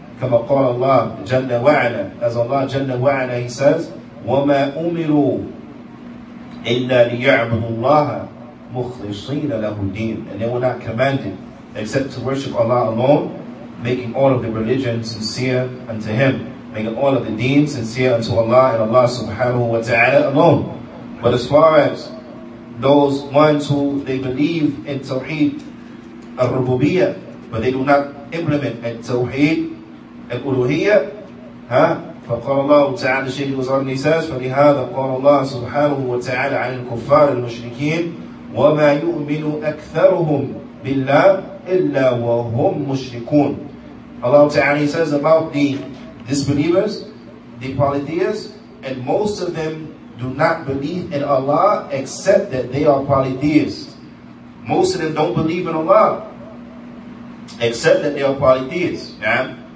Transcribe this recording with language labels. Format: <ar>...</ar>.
<ar>كما قال الله جل وعلا,</ar> <en>as Allah</en> <ar>جل وعلا,</ar> <en>He says,</en> <ar>وما أمروا إلا ليعبدوا الله مخلصين له الدين,</ar> <en>and they were not commanded except to worship Allah alone, making all of the religion sincere unto Him, making all of the deen sincere unto Allah and Allah subhanahu wa ta'ala alone. But as far as those ones who they believe in Tawheed al-Rububiyya, but they do not implement at Tawheed al-Uluhiyya, huh?</en> <ar>فقال الله تعالى, الشيخ الوزراء النساس, فلهذا قال الله سبحانه وتعالى عن الكفار المشركين وما يؤمن أكثرهم بالله إلا وهم مشركون.</ar> <en>Allah تعالى says about the disbelievers, the polytheists, and most of them do not believe in Allah except that they are polytheists. Most of them don't believe in Allah except that they are polytheists. Yeah?</en>